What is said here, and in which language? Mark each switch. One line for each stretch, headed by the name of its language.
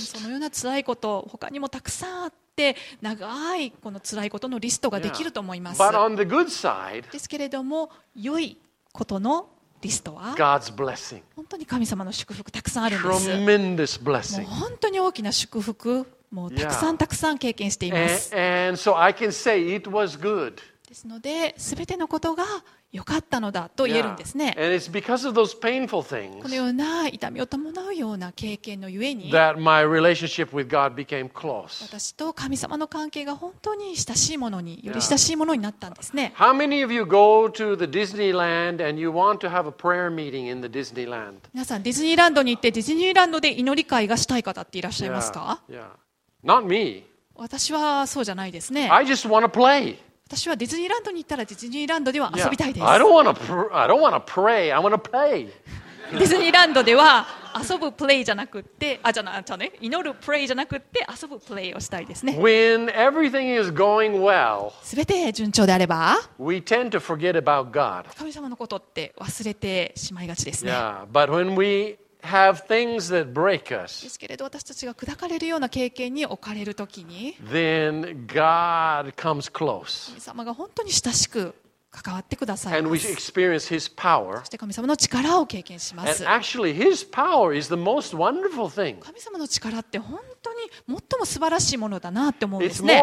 Japanese: ような辛いこと他にもたくさんあって長いこの辛いことのリストができると思います。
English: Yeah. But on the good side,
Japanese: ですけれども良いことのリストは
English: God's blessing.
Japanese: 本当に神様の祝福たくさんあるんです。
English: Tremendous blessing.
Japanese: もう本当に大きな祝福、もうたくさんたくさん経験しています。
English: And so I can say it was good.
Japanese: ですので、すべてのことが良かったのだと言えるんですね。
English: Yeah. And it's because of those painful things.
Japanese: このような痛みを伴うような経験のゆえに、
English: that my relationship with God became close.
Japanese: 私と神様の関係が本当に親しいものに、より親しいものになったんですね。
English: Yeah. How many of you go to the Disneyland and you want to have a prayer meeting in the Disneyland?
Japanese: 皆さん、ディズニーランドに行ってディズニーランドで祈り会がしたい方っていらっしゃいますか？
English: Yeah. Not me.
Japanese: 私はそうじゃないですね。
English: I just want to play.
Japanese: 私はディズニーランドに行ったらディズニーランドでは遊びたいです。
English: Yeah. I don't want to pray. I want to play.
Japanese: ディズニーランドでは遊ぶプレイじゃなくって、じゃあね、祈るプレイじゃなくって遊ぶプレイをしたいですね。
English: When everything is going well,
Japanese: 全て順調であれば、
English: we tend to forget about God.
Japanese: 神様のことって忘れてしまいがちですね。
English: Yeah, but when weHave things that break us.
Japanese: ですけれど、私たちが砕かれるような経験に置かれるときに、
English: then God comes close.
Japanese: 神様が本当に親しく関わってくださいます。
English: And we experience His power.
Japanese: そして神様の力を経験します。
English: And actually, His power is the most wonderful thing.
Japanese: 神様の力って本当に最も素晴らしいものだなって思うんですね。